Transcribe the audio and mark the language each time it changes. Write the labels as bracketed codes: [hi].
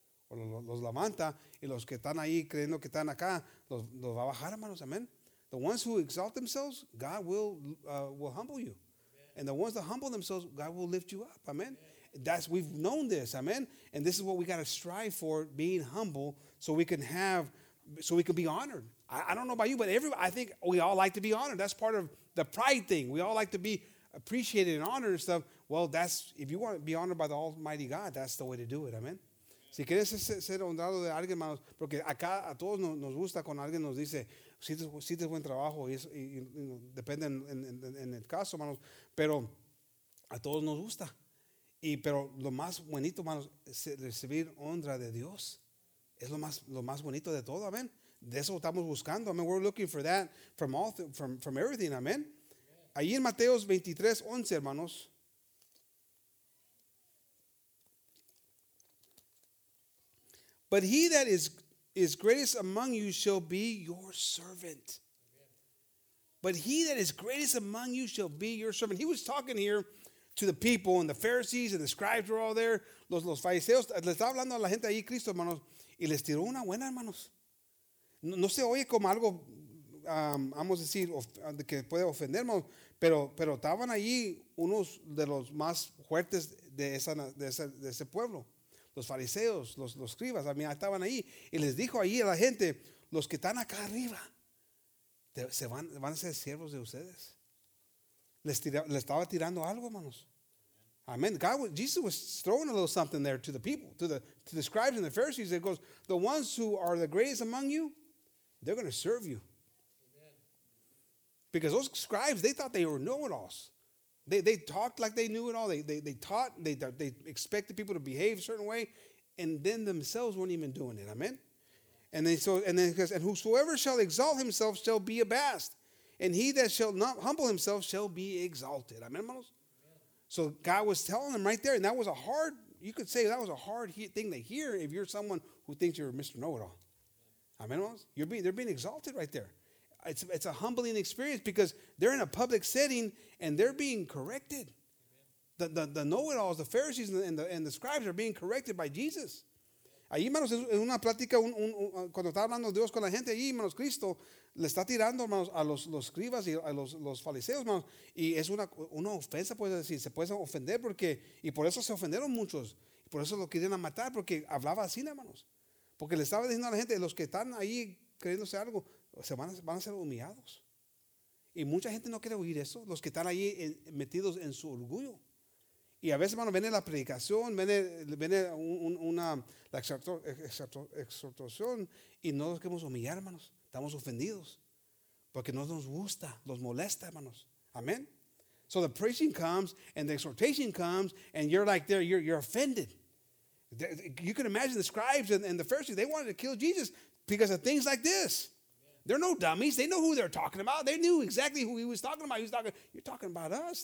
[es] Los levanta, y los que están ahí creyendo que están acá, los va a bajar, hermanos, amén. [en] The ones who exalt themselves, God will humble you. Amen. And the ones that humble themselves, God will lift you up, amén. That's, we've known this, amén. And this is what we got to strive for, being humble, so we can be honored. I don't know about you, but I think we all like to be honored. That's part of the pride thing. We all like to be appreciated and honored and stuff. Well, that's, if you want to be honored by the Almighty God, that's the way to do it, amén. [es] Si quieres ser honrado de alguien, hermanos, porque acá a todos nos gusta cuando alguien nos dice, si es buen trabajo, y depende en el caso, hermanos, pero a todos nos gusta. Pero lo más bonito, hermanos, es recibir honra de Dios. Es lo más bonito de todo, amén. De eso estamos buscando, amén. [en] We're looking for that from everything, amén. [es] Ahí en Mateos 23:11, hermanos. [en] But he that is greatest among you shall be your servant. Amen. But he that is greatest among you shall be your servant. He was talking here to the people, and the Pharisees and the scribes were all there. [es] Los fariseos, le estaba hablando a la gente ahí, Cristo, hermanos, y les tiró una buena, hermanos. No se oye como algo, vamos a decir, que puede ofender, hermanos, pero estaban allí unos de los más fuertes de ese pueblo. Los fariseos, los escribas, también estaban ahí. Y les dijo ahí a la gente, los que están acá arriba, se van a ser siervos de ustedes. Les estaba tirando algo, hermanos. Amen. [en] Jesus was throwing a little something there to the people, to the scribes and the Pharisees. It goes, the ones who are the greatest among you, they're going to serve you. Because those scribes, they thought they were know-it-alls. They talked like they knew it all. They taught. They expected people to behave a certain way. And then themselves weren't even doing it. Amen? And then because, and whosoever shall exalt himself shall be abased. And he that shall not humble himself shall be exalted. Amen, hermanos? So God was telling them right there. And that was a hard, you could say that was a hard thing to hear if you're someone who thinks you're Mr. Know-it-all. Amen, hermanos? They're being exalted right there. It's a humbling experience because they're in a public setting and they're being corrected. The know-it-alls, the Pharisees and the scribes are being corrected by Jesus. [es] Ahí, hermanos, en una plática, cuando está hablando Dios con la gente, ahí, hermanos, Cristo le está tirando, hermanos, a los escribas y a los fariseos, hermanos. Y es una ofensa, puede decir. Se puede ofender porque, y por eso se ofendieron muchos. Por eso lo querían matar, porque hablaba así, hermanos. Porque le estaba diciendo a la gente, los que están ahí creyéndose algo, van a ser humillados. Y mucha gente no quiere oír eso, los que están ahí metidos en su orgullo. Y a veces, hermano, viene la predicación, viene la exhortación y no nos queremos humillar, hermanos. Estamos ofendidos porque no nos gusta, nos molesta, hermanos. Amén. [en] So the preaching comes and the exhortation comes and you're like there, you're offended. You can imagine the scribes and the Pharisees, they wanted to kill Jesus because of things like this. They're no dummies. They know who they're talking about. They knew exactly who he was talking about. You're talking about us.